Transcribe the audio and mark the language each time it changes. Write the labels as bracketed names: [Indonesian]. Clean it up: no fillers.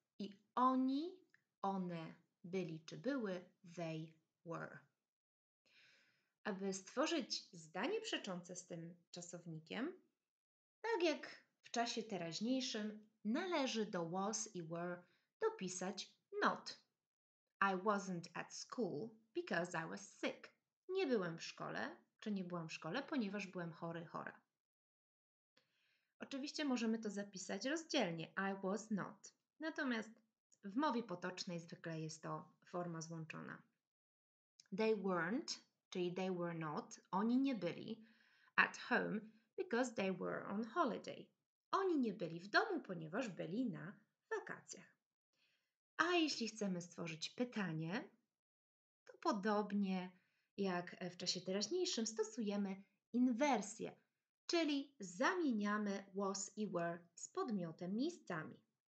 [Polish] I oni, one byli czy były, [English] they were. [Polish] Aby stworzyć zdanie przeczące z tym czasownikiem, tak jak w czasie teraźniejszym, należy do was i were dopisać not. [English] I wasn't at school because I was sick. [Polish] Nie byłem w szkole, czy nie byłam w szkole, ponieważ byłem chory, chora. Oczywiście możemy to zapisać rozdzielnie. [English] I was not. [Polish] Natomiast w mowie potocznej zwykle jest to forma złączona. [English] They weren't, [Polish] czyli [English] they were not, [Polish] oni nie byli, [English] at home, because they were on holiday. [Polish] Oni nie byli w domu, ponieważ byli na wakacjach. A jeśli chcemy stworzyć pytanie, to podobnie jak w czasie teraźniejszym stosujemy inwersję, czyli zamieniamy was i were z podmiotem miejscami.